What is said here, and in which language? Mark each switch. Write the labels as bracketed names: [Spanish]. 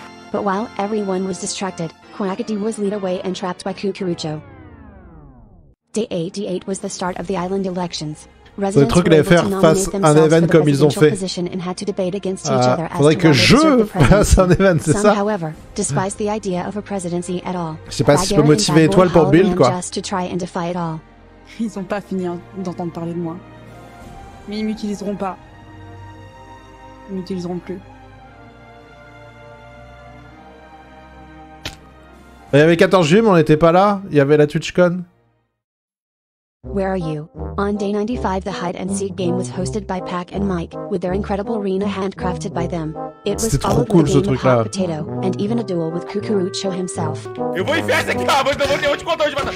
[English] But while everyone was distracted, Quackity was led away and trapped by Cucurucho. Day 88 was the start of the island elections. [French] Le truc de faire face à un événement comme ils ont fait. Faudrait que je fasse un événement, c'est ça. [English] However, despite the idea of a presidency at all. [French] Je sais pas si je peux motiver Étoile pour build quoi. [English] Just to try and defy it all. [French] Ils ont pas fini d'entendre parler de moi. Mais ils m'utiliseront pas. Ils m'utiliseront plus. Il y avait 14 juillet, mais on n'était pas là. Il y avait la TwitchCon. [English] Where are you? On day 95, the hide and seek game was hosted by Pac and Mike, with their incredible arena handcrafted by them. It was [French] trop cool, ce truc là. [English] Potato, and even a duel with Cucurucho himself. [Portuguese] Eu vou enfiar esse aqui, ah, vou te contar onde vai.